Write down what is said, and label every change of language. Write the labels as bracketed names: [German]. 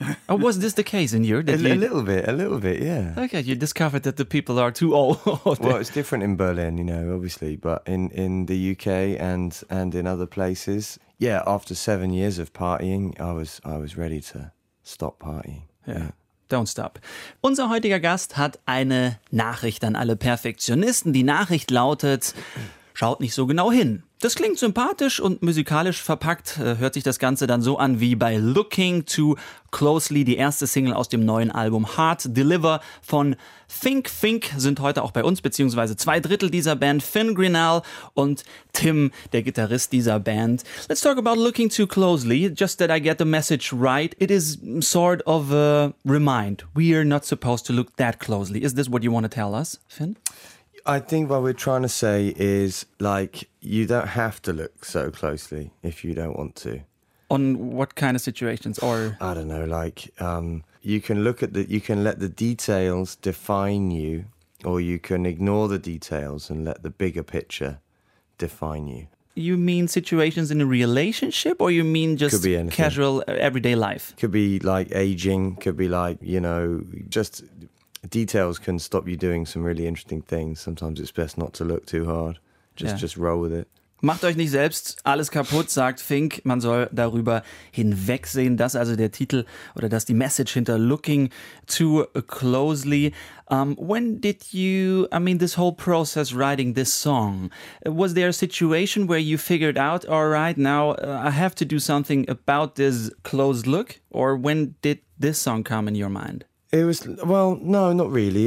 [English] Oh, was this the case in Europe? A little bit, yeah. Okay, you discovered that the people are too old. Well, it's different in Berlin, you know, obviously, but in the UK and in other places, yeah, after 7 years of partying, I was ready to stop partying. Yeah. Don't stop. [German] Unser heutiger Gast hat eine Nachricht an alle Perfektionisten. Die Nachricht lautet... Schaut nicht so genau hin. Das klingt sympathisch und musikalisch verpackt, hört sich das Ganze dann so an wie bei Looking Too Closely, die erste Single aus dem neuen Album Hard Deliver von Fink. Fink sind heute auch bei uns, beziehungsweise zwei Drittel dieser Band, Finn Grinnell und Tim, der Gitarrist dieser Band. [English] Let's talk about Looking Too Closely, just that I get the message right. It is sort of a remind. We are not supposed to look that closely. Is this what you want to tell us, Finn? I think what we're trying to say is, like, you don't have to look so closely if you don't want to. On what kind of situations? Or I don't know, like, you can let the details define you, or you can ignore the details and let the bigger picture define you. You mean situations in a relationship, or you mean just casual, everyday life? Could be, like, aging, could be, like, you know, just... Details can stop you doing some really interesting things. Sometimes it's best not to look too hard. Just roll with it. [German] Macht euch nicht selbst alles kaputt, sagt Fink. Man soll darüber hinwegsehen. Das also der Titel oder das die Message hinter Looking Too Closely. [English] When did you, I mean, this whole process writing this song, was there a situation where you figured out, all right, now I have to do something about this closed look? Or when did this song come in your mind? It was, well, no, not really.